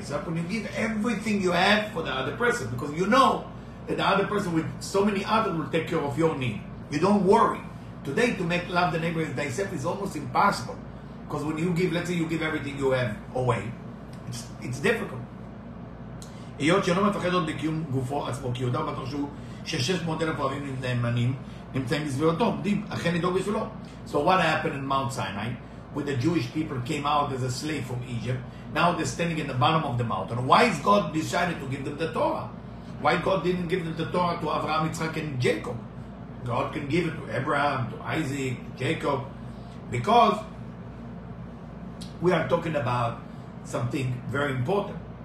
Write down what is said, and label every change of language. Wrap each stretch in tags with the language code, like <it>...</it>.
<en>So when you give everything you have for the other person, because you know that the other person with so many others will take care of your need. You don't worry. Today, to make love the neighbors thyself is almost impossible. Because when you give, let's say you give everything you have away, it's difficult.</en> <he>היות שאינו מפחד עוד בקיום גופו עצמו, כי יודע בטח שהוא ששש מאות אלף אוהבים נאמנים נמצאים בסביבתו, עומדים, אכן ידאוג בשבילו.</he> <en>So what happened in Mount Sinai, when the Jewish people came out as a slave from Egypt, now they're standing in the bottom of the mountain. Why is God decided to give them the Torah? Why God didn't give them the Torah to Abraham, Yitzhak, and Jacob? God can give it to Abraham, to Isaac, to Jacob. Because we are talking about something very important.</en>